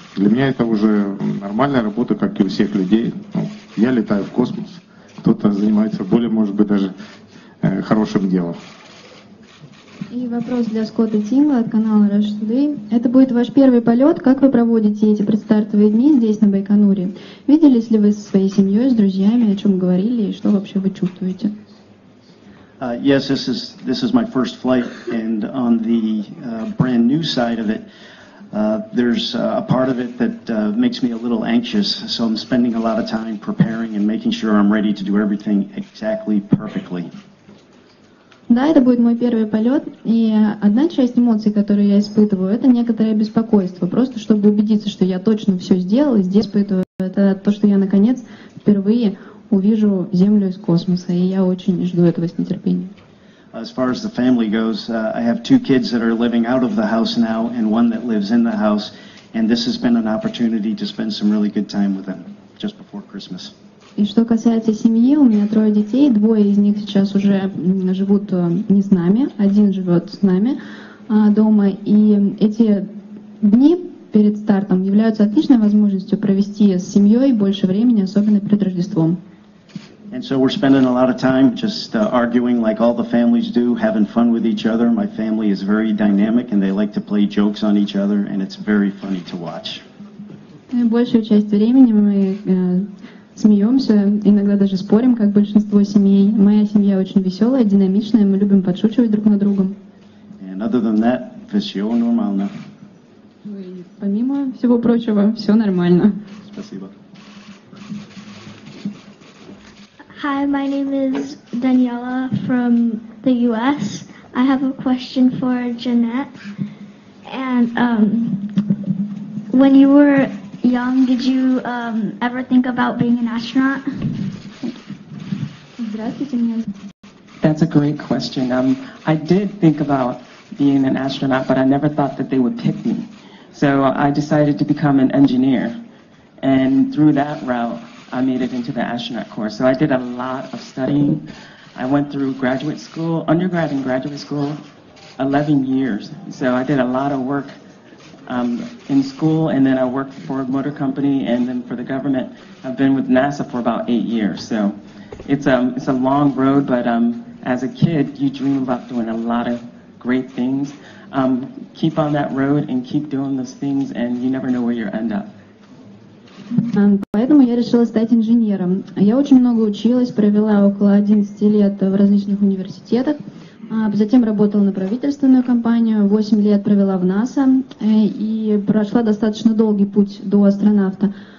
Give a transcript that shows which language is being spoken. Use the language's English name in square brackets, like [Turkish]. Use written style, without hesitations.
[Russian] Для меня это уже нормальная работа, как и у всех людей. Ну, я летаю в космос, кто-то занимается более, может быть, даже хорошим делом. И вопрос для Скотта Тингла от канала Rush Today. Это будет ваш первый полет. Как вы проводите эти предстартовые дни здесь, на Байконуре? Виделись ли вы со своей семьей, с друзьями, о чем говорили, и что вообще вы чувствуете? [English] Yes, this is my first flight, and on the brand new side of it, there's a part of it that makes me a little anxious, so I'm spending a lot of time preparing and making sure I'm ready to do everything exactly perfectly. [Russian] Да, это будет мой первый полет, и одна часть эмоций, которую я испытываю, это некоторое беспокойство, просто чтобы убедиться, что я точно все сделал, и здесь испытываю, это то, что я, наконец, впервые увижу Землю из космоса, и я очень жду этого с нетерпением. [English] As far as the family goes, I have two kids that are living out of the house now, and one that lives in the house, and this has been an opportunity to spend some really good time with them just before Christmas. [Russian] И что касается семьи, у меня трое детей, двое из них сейчас уже живут не с нами, один живет с нами дома, и эти дни перед стартом являются отличной возможностью провести с семьей больше времени, особенно перед Рождеством. [English] And so we're spending a lot of time just arguing like all the families do, having fun with each other. My family is very dynamic and they like to play jokes on each other and it's very funny to watch. [Russian] Большую часть времени мы смеемся, иногда даже спорим, как большинство семей. Моя семья очень веселая, динамичная, мы любим подшучивать друг над другом. [English] And other than that, [Russian] все нормально. Помимо всего прочего, все нормально. Спасибо. [English] Hi, my name is Daniela from the U.S. I have a question for Jeanette. And when you were young, did you ever think about being an astronaut? That's a great question. I did think about being an astronaut, but I never thought that they would pick me. So I decided to become an engineer. And through that route, I made it into the astronaut course. So I did a lot of studying. I went through graduate school, undergrad and graduate school, 11 years. So I did a lot of work in school, and then I worked for a motor company, and then for the government. I've been with NASA for about 8 years. So it's a long road, but as a kid, you dream about doing a lot of great things. Keep on that road and keep doing those things, and you never know where you'll end up. [Russian] Поэтому я решила стать инженером. Я очень много училась, провела около 11 лет в различных университетах. Затем работала на правительственную компанию, 8 лет провела в НАСА и прошла достаточно долгий путь до астронавта.